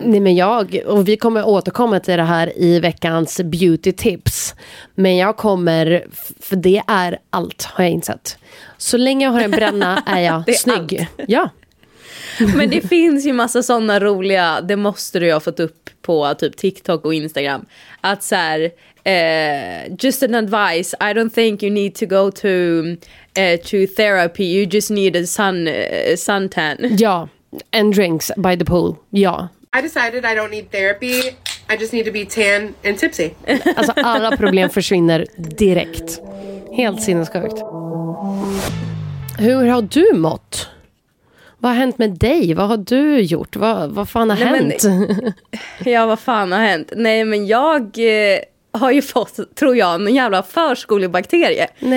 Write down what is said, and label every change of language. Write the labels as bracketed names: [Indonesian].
[Swedish] Nej men jag, och vi kommer återkomma till det här i veckans beauty tips. Men jag kommer, för det är allt har jag insett. Så länge jag har en bränna är jag det är snygg. Allt. Ja. Men det finns ju massa sådana roliga, det måste du ju ha fått upp på typ TikTok och Instagram. Att så här, [English] just an advice, I don't think you need to go to therapy, you just need a suntan. Yeah, and drinks by the pool, yeah. I decided I don't need therapy, I just need to be tan and tipsy. [Swedish] Alltså alla problem försvinner direkt. Helt sinnessjukt. Hur har du mått? Vad har hänt med dig? Vad har du gjort? Vad fan har hänt? Ja, vad fan har hänt? Nej, men jag har ju fått, tror jag, en jävla förskolebakterie.